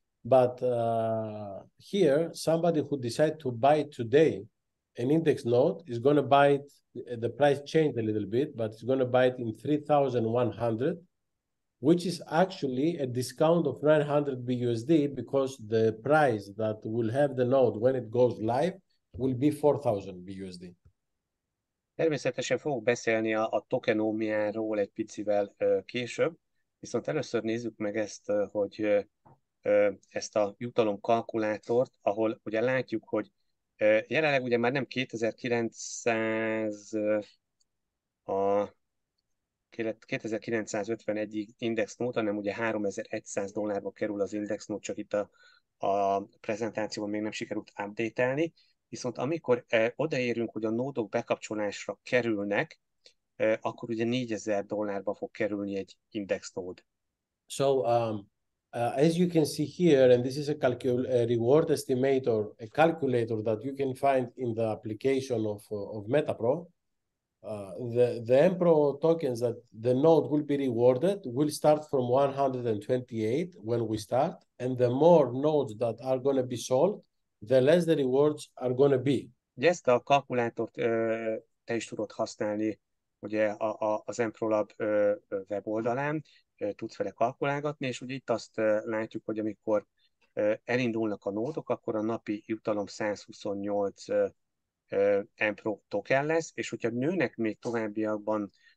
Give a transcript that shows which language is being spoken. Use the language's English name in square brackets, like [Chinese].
[English] But here, somebody who decides to buy today an index node is going to buy it, the price changed a little bit, but it's going to buy it in 3,100, which is actually a discount of 900 BUSD because the price that will have the node when it goes live will be 4,000 BUSD. [Hungarian] Természetesen fogok beszélni a tokenómiáról egy picivel később, viszont először nézzük meg ezt, hogy ezt a jutalom kalkulátort, ahol ugye látjuk, hogy jelenleg ugye már nem 2951 index nód, hanem ugye 3100 dollárba kerül az index nód, csak itt a prezentációban még nem sikerült update-elni. Viszont amikor odaérünk, hogy a nódok bekapcsolásra kerülnek, akkor ugye 4000 dollárba fog kerülni egy index nód. [English] So as you can see here, and this is a reward estimator, a calculator that you can find in the application of MetaPro, the EMPRO tokens that the node will be rewarded will start from 128 when we start, and the more nodes that are going to be sold, the less the rewards are going to be. [Hungarian] Ezt a kalkulátort te is tudod használni, ugye az EMPRO Lab weboldalán. Tudsz vele kalkulálgatni, és ugye itt azt látjuk, hogy amikor elindulnak a nódok, akkor a napi jutalom 128 EMPRO token lesz, és hogyha nőnek még továbbiakban